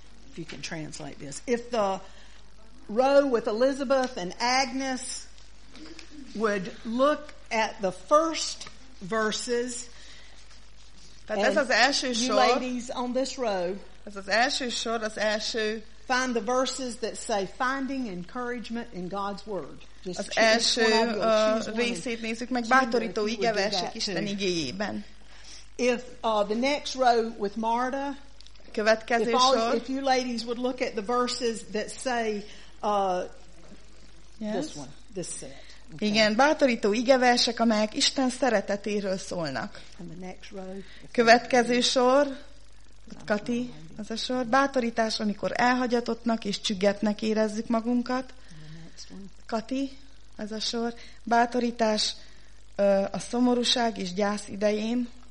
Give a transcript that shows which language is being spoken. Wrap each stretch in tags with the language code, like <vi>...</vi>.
<en>If you can translate this, if the row with Elizabeth and Agnes would look at the first verses,</en> <hu>ez az első sor,</hu> <en>you ladies on this row,</en> <hu>ez az első sor, az első,</hu> <en>find the verses that say finding encouragement in God's word.</en> <hu>Just az első részét nézzük meg, bátorító igeversek Isten igéjében.</hu> <en>If the next row with Marta,</en> <hu>következő sor,</hu> <en>if you ladies would look at the verses that say yes. This one, this set. Okay.</en> <hu>Igen, bátorító igeversek, amelyek Isten szeretetéről szólnak.</hu> <en>And the next row,</en> <hu>következő sor, Kati, az a sor, bátorítás, amikor elhagyatottnak és csüggetnek érezzük magunkat. Kati, az a sor, bátorítás a szomorúság és gyász idején.</hu>